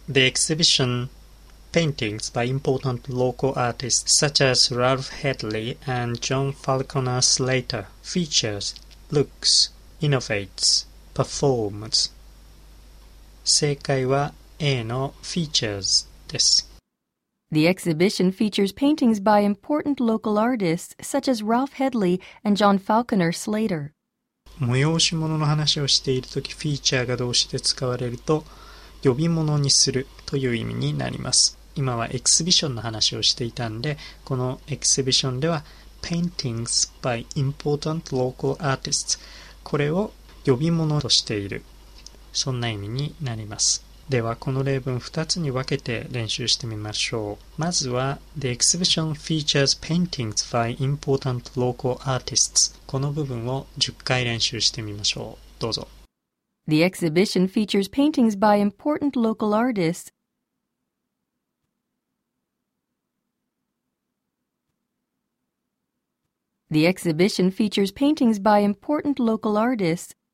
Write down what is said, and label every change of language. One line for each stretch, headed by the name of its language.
English: The exhibition paintings by important local artists such as Ralph Hedley and John Falconer Slater features, looks, innovates, performs.
Japanese: 正解は A の features です。
English: The exhibition features paintings by important local artists such as Ralph Hedley and John Falconer Slater.
Japanese: 催し物の話をしているとき、フィーチャーが動詞で使われると、呼び物にするという意味になります。今はエキシビションの話をしていたんで、このエキシビションでは、
English: Paintings by Important Local Artists。
Japanese: これを呼び物としている。そんな意味になります。では、この例文2つに分けて練習してみましょう。まずは、
English: The exhibition features paintings by important local artists.
Japanese: この部分を10回練習してみましょう。どうぞ。
English: The exhibition features paintings by important local artists. The exhibition features paintings by important local artists.